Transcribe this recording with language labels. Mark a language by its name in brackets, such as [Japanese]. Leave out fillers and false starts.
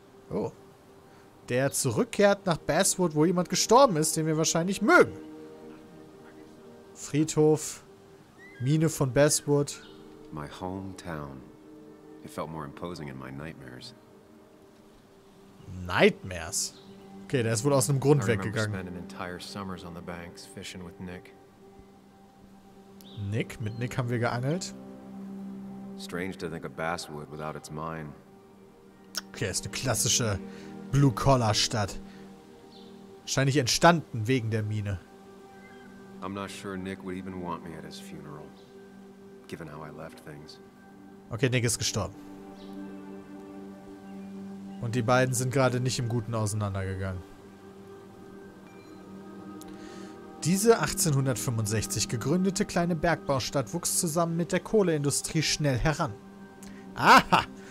[German] Oh. Der zurückkehrt nach Basswood, wo jemand gestorben ist, den wir wahrscheinlich mögen. Friedhof. Mine von Basswood. [English] My hometown. It felt more imposing in my nightmares. Nightmares. [German] Okay, der ist wohl aus einem Grund weggegangen. [English] Spending entire summers on the banks fishing with Nick. [German] Nick, mit Nick haben wir geangelt. [English] Strange to think of Basswood without its mine. [German] Okay, ist eine klassische Blue-Collar-Stadt. Wahrscheinlich entstanden wegen der Mine. [English] I'm not sure Nick would even want me at his funeral, given how I left things. [German] Okay, Nick ist gestorben. Und die beiden sind gerade nicht im Guten auseinandergegangen. Diese 1865 gegründete kleine Bergbaustadt wuchs zusammen mit der Kohleindustrie schnell heran. Aha!